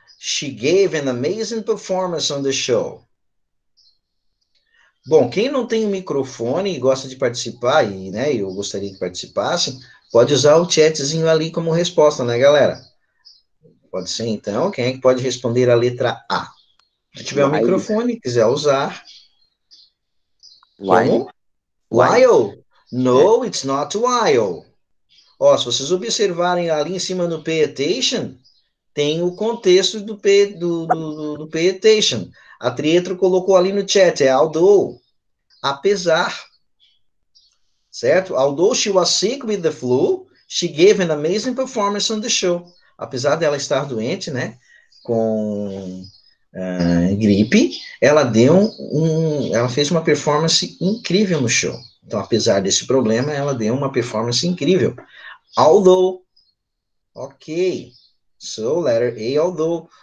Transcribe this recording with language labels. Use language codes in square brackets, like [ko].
[en] She gave an amazing performance on the show. [pt] Bom, quem não tem um microfone e gosta de participar, e né, eu gostaria que participasse, pode usar o chatzinho ali como resposta, né, galera? Pode ser, então. Quem é que pode responder a letra A? Se tiver um microfone, quiser usar. [en] While? While? No, it's not while. [pt] Ó, se vocês observarem ali em cima do pay attention, tem o contexto do pay, do pay attention. A Trietro colocou ali no chat, é although, apesar, certo? [en] Although she was sick with the flu, she gave an amazing performance on the show. [pt] Apesar dela estar doente, né, com gripe, ela deu ela fez uma performance incrível no show. Então, apesar desse problema, ela deu uma performance incrível. [en] Although, ok, so letter A, although.